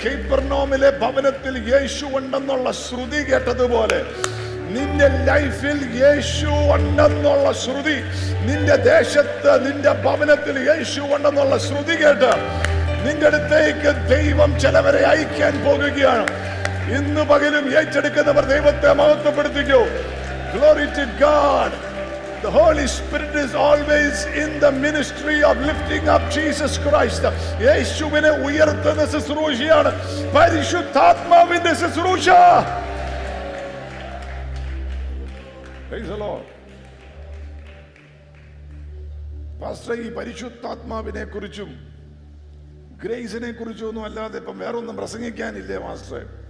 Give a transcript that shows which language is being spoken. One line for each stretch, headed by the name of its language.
Malayalam: കേപ്പർനോമിലെ ഭവനത്തിൽ യേശു ഉണ്ടെന്നുള്ള ശ്രുതി കേട്ടതുപോലെ നിന്റെ ലൈഫിൽ യേശു ഉണ്ടെന്നുള്ള ശ്രുതി, നിന്റെ ദേശത്ത് നിന്റെ ഭവനത്തിൽ യേശു ഉണ്ടെന്നുള്ള ശ്രുതി കേട്ട് നിന്റെ അടുത്തേക്ക് ദൈവം ചിലവരെ അയക്കാൻ പോകുകയാണ്. ഇന്ന് പകലും ഏറ്റെടുക്കുന്നവർ ദൈവത്തെ മഹത്വപ്പെടുത്തിക്കൂ.
English: Glory to God. The Holy Spirit is always in the ministry of lifting up Jesus Christ.
Malayalam: യേശുവിനെ ഉയർത്തുന്ന ശുശ്രൂഷയാണ് പരിശുദ്ധാത്മാവിന്റെ ശുശ്രൂഷ.
English: Praise the Lord.
Malayalam: Pastor, ഈ പരിശുദ്ധാത്മാവിനെ കുറിച്ചും ഗ്രേസിനെ കുറിച്ചും ഒന്നും അല്ലാതെ ഇപ്പം വേറൊന്നും പ്രസംഗിക്കാനില്ലേ മാസ്റ്ററെ?